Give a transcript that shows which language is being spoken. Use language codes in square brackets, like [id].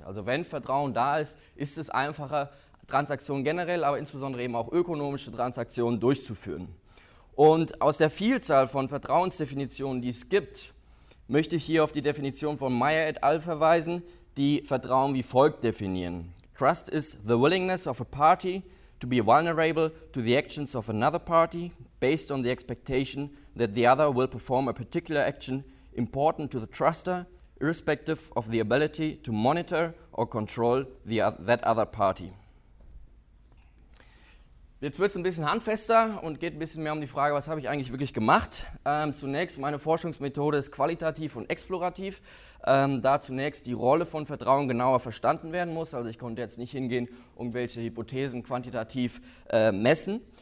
[de] Also wenn Vertrauen da ist, ist es einfacher, Transaktionen generell, aber insbesondere eben auch ökonomische Transaktionen durchzuführen. Und aus der Vielzahl von Vertrauensdefinitionen, die es gibt, möchte ich hier auf die Definition von Meyer et al. Verweisen, die Vertrauen wie folgt definieren. [en] Trust is the willingness of a party to be vulnerable to the actions of another party based on the expectation that the other will perform a particular action important to the truster, irrespective of the ability to monitor or control that other party. [de] Jetzt wird es ein bisschen handfester und geht ein bisschen mehr um die Frage, was habe ich eigentlich wirklich gemacht. Zunächst, meine Forschungsmethode ist qualitativ und explorativ, da zunächst die Rolle von Vertrauen genauer verstanden werden muss. Also ich konnte jetzt nicht hingehen, irgendwelche Hypothesen quantitativ messen.